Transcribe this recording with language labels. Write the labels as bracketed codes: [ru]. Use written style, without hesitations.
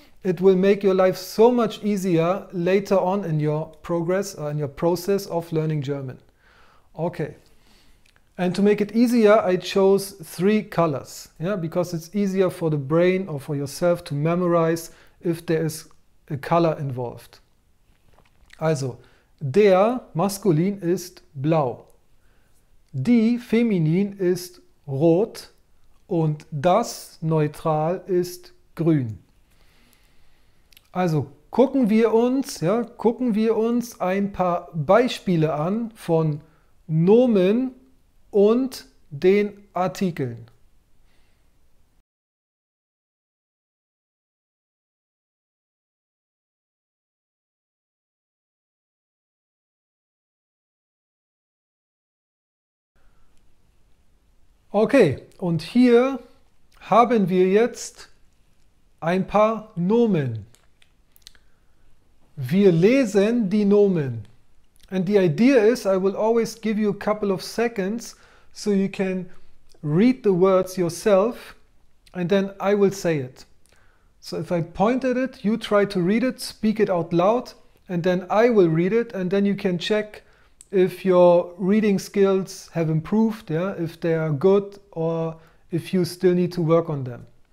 [en] It will make your life so much easier later on in your progress or in your process of learning German. Okay. And to make it easier, I chose three colors. Yeah, because it's easier for the brain or for yourself to memorize if there is a color involved. [de] Also, der maskulin ist blau. Die feminin ist rot und das neutral ist grün. Also gucken wir uns ein paar Beispiele an von Nomen und den Artikeln. Okay, und hier haben wir jetzt ein paar Nomen. Wir lesen die Nomen. [en] And the idea is, I will always give you a couple of seconds so you can read the words yourself and then I will say it. So if I point at it, you try to read it, speak it out loud, and then I will read it and then you can check if your reading skills have improved, yeah, if they are good or if you still need to work on them.